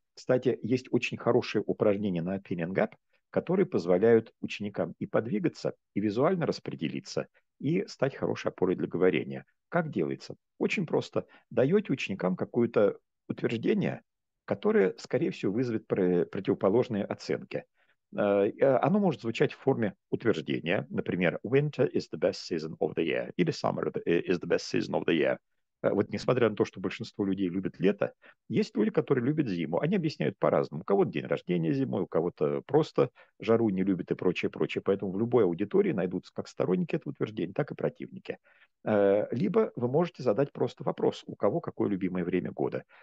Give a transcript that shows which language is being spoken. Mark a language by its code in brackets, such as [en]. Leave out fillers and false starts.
[ru] Кстати, есть очень хорошие упражнения на opinion gap, которые позволяют ученикам и подвигаться, и визуально распределиться, и стать хорошей опорой для говорения. Как делается? Очень просто. Даете ученикам какое-то утверждение, которое, скорее всего, вызовет противоположные оценки. Оно может звучать в форме утверждения. [en] Например, winter is the best season of the year. Или summer is the best season of the year. [ru] Вот несмотря на то, что большинство людей любят лето, есть люди, которые любят зиму. Они объясняют по-разному. У кого-то день рождения зимой, у кого-то просто жару не любят и прочее, прочее. Поэтому в любой аудитории найдутся как сторонники этого утверждения, так и противники. Либо вы можете задать просто вопрос, у кого какое любимое время года.